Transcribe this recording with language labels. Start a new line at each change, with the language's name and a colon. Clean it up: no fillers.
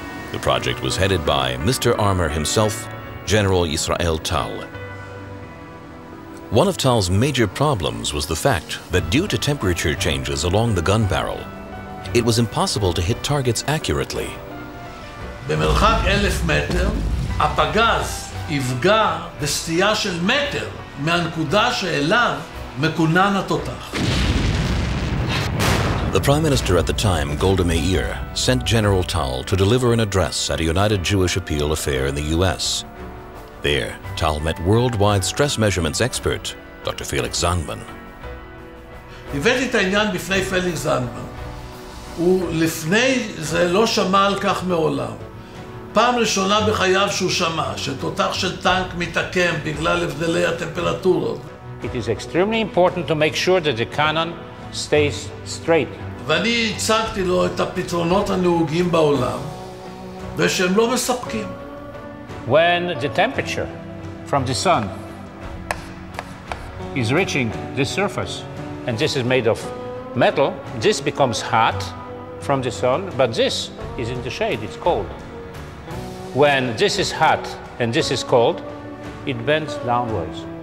English: The project was headed by Mr. Armor himself, General Yisrael Tal. One of Tal's major problems was the fact that due to temperature changes along the gun barrel, it was impossible to hit targets accurately.
Hebrew: במרחק 1,000 מטר, הפגז יפגע בסטייה של מטר מהנקודה שאליו מכונן התותח.
English: The Prime Minister at the time, Golda Meir, sent General Tal to deliver an address at a United Jewish Appeal affair in the U.S. There, Tal met worldwide stress measurements expert, Dr. Felix Zandman.
Hebrew: הבאתי את העניין בפני פליקס זנדמן. הוא לפני זה לא שמע על כך מעולם. פעם ראשונה בחייו שהוא שמע שתותח של טנק מתעקם בגלל הבדלי הטמפרטורות.
English: It is extremely important to make sure that the cannon stays straight.
Hebrew: ואני הצגתי לו את הפתרונות הנהוגים בעולם ושהם לא מספקים.
English: When the temperature from the sun is reaching the surface and this is made of metal, this becomes hot from the sun, but this is in the shade, it's cold. When this is hot and this is cold, it bends downwards.